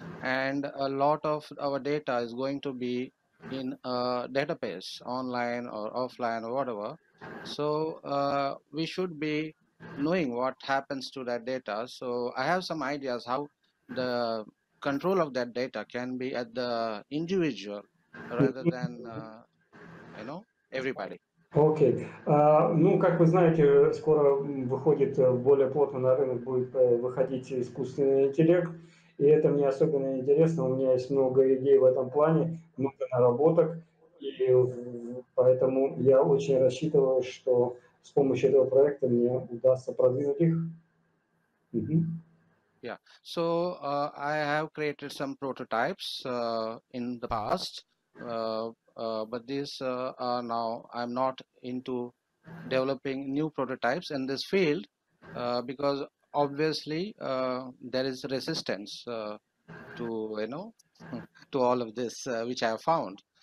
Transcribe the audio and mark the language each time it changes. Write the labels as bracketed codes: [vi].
[en] And a lot of our data is going to be in a database, online or offline or whatever. So we should be knowing what happens to that data. So I have some ideas how the control of that data can be at the individual rather than, everybody. [ru] Окей. Как вы знаете, скоро выходит более плотно на рынок, будет выходить искусственный интеллект. И это мне особенно интересно, у меня есть много идей в этом плане, много наработок, и поэтому я очень рассчитываю, что с помощью этого проекта мне удастся продвинуть их. [en] Yeah, so I have created some prototypes in the past, but these are now, I'm not into developing new prototypes in this field, because obviously, there is resistance to all of this, which I have found.